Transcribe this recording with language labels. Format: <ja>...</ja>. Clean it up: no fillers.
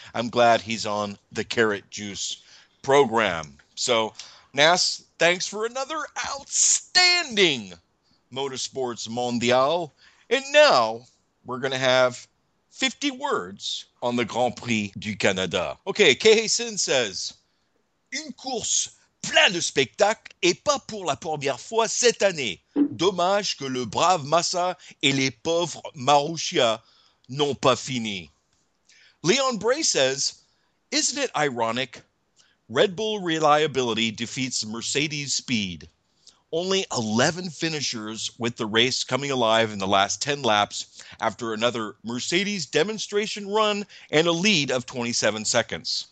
<en>I'm glad he's on the Carrot Juice program. So, Nas, thanks for another outstanding Motorsports Mondial. And now we're going to have 50 words on the Grand Prix du Canada. Okay, Kay Sin says,</en> <fr>une course plein de spectacle et pas pour la première fois cette année. Dommage que le brave Massa et les pauvres Marussia n'ont pas fini.</fr> <en>Leon Bray says, isn't it ironic? Red Bull reliability defeats Mercedes speed. Only 11 finishers with the race coming alive in the last 10 laps after another Mercedes demonstration run and a lead of 27 seconds.</en>